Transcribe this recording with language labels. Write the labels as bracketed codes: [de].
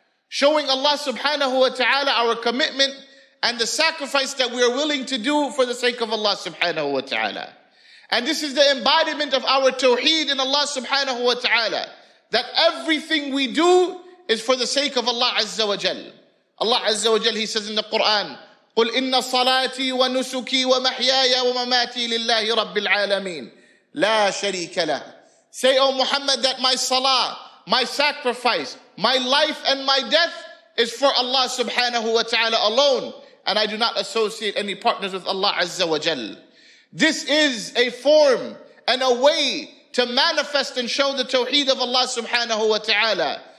[en] Showing Allah subhanahu wa ta'ala our commitment and the sacrifice that we are willing to do for the sake of Allah subhanahu wa ta'ala. And this is the embodiment of our tawheed in Allah subhanahu wa ta'ala. That everything we do is for the sake of Allah azza wa jal. Allah azza wa jal, he says in the Quran, [ar] قُلْ إِنَّ صَلَاتِي وَنُسُكِي وَمَحْيَايَ وَمَمَاتِي لِلَّهِ رَبِّ الْعَالَمِينَ لَا شَرِيكَ لَهُ. [en] Say, O Muhammad, that my salah, my sacrifice, my life and my death is for Allah subhanahu wa ta'ala alone, and I do not associate any partners with Allah azza wa jal. This is a form and a way to manifest and show the tawheed of Allah subhanahu wa ta'ala.